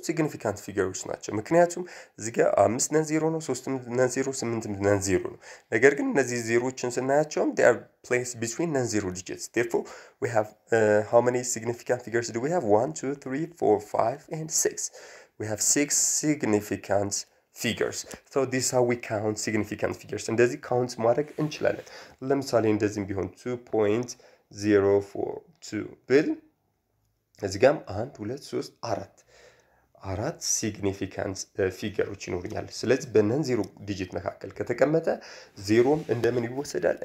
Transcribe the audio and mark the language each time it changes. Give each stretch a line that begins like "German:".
Amharic: ሲግኒፊካንት ፊገሮች ናቸው። ምክንያቱም እዚህ ጋር 5 ነን ዜሮ ነው፣ 3 ነን ዜሮ፣ 8 ነን ዜሮ ነው። ነገር ግን እነዚህ ዜሮችን ስናያቸውም
English: ዴ አር ፕሌስ ቢትዊን ነን ዜሮ ዲጂትስ። ቴርፎር ዊ ሃቭ ሃው ሜኒ ሲግኒፊካንት ፊገርስ ዱ ዊ ሃቭ? 1 2 3 4 5 ኤንድ 6 ዊ ሃቭ 6 ሲግኒፊካንት figures. So this is how we count significant figures. And does it count
Amharic: ማድረግ እንችላለን። ለምሳሌ እንደዚህም ቢሆን 2.042 ብል እዚህ ጋም 1 2 3 4 አራት ሲግኒፊካንት ፊገሮች ይኖሩኛል። ስለዚህ በነን ዜሮ ዲጂት መካከል ከተቀመጠ ዜሮም እንደምን ይወሰዳል?